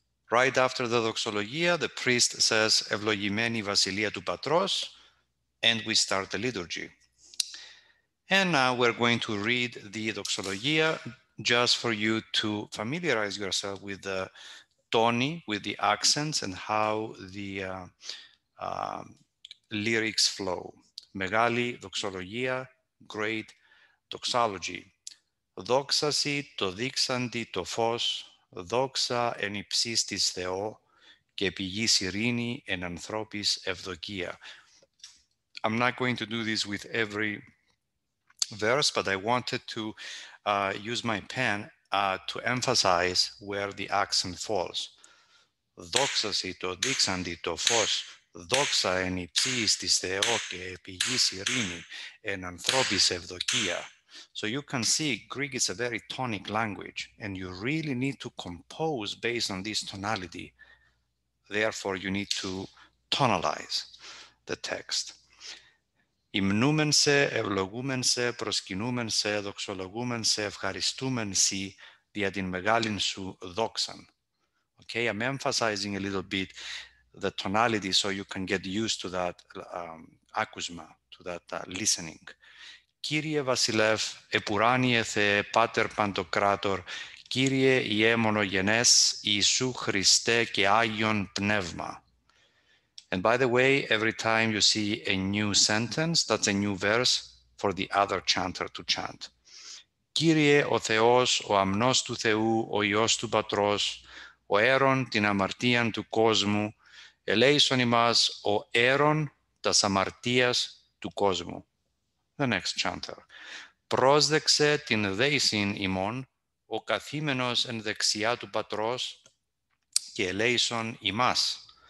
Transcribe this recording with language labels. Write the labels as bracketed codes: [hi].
[en] Right after the doxologia, the priest says, [el] Ευλογημένη Βασιλεία του Πατρός, [en] and we start the liturgy. And now we're going to read the doxologia just for you to familiarize yourself with the toni, with the accents, and how the lyrics flow. [el] Μεγάλη δοξολογία, [en] great doxology. [el] Δόξα σοι το δείξαντι το φως, δόξα εν υψίστης Θεό και πηγής ειρήνη εν ανθρώπης ευδοκία. [en] I'm not going to do this with every verse, but I wanted to use my pen to emphasize where the accent falls. [el] Δόξα σοι το δείξαντι το φως, δόξα εν υψίης της Θεό και επί γης ειρήνη εν ανθρώπης ευδοκία. [en] So you can see Greek is a very tonic language, and you really need to compose based on this tonality. Therefore, you need to tonalize the text. [el] Υμνούμεν σε, ευλογούμεν σε, προσκυνούμεν σε, δοξολογούμεν σε, ευχαριστούμεν σε, δια την μεγάλην σου δόξαν. [en] Okay, I'm emphasizing a little bit the tonality so you can get used to that ακούσμα, to that listening. [el] Κύριε Βασιλεύ, επουράνιε Θεέ, Πάτερ Παντοκράτορ, Κύριε Ιε Μονογενές, Ιησού Χριστέ και Άγιον Πνεύμα. [en] And by the way, every time you see a new sentence, that's a new verse for the other chanter to chant. [el] Κύριε ο Θεός, ο αμνός του Θεού, ο Υιός του Πατρός, ο αίρον την αμαρτίαν του κόσμου, ελέησον ημάς ο αίρον τας αμαρτίας του κόσμου. [en] The next chanter. [el] Πρόσδεξε την δέησιν ημών, ο καθήμενος εν δεξιά του Πατρός και ελέησον ημάς.